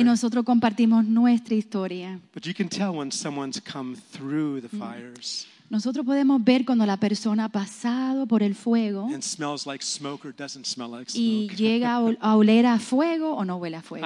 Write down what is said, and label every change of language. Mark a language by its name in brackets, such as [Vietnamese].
[Spanish] Y nosotros compartimos nuestra historia. [English] But you can tell when someone's come through the fires. [Spanish] Nosotros podemos ver cuando la persona ha pasado por el fuego [English] like [Spanish] y llega a oler a fuego o no huele a fuego.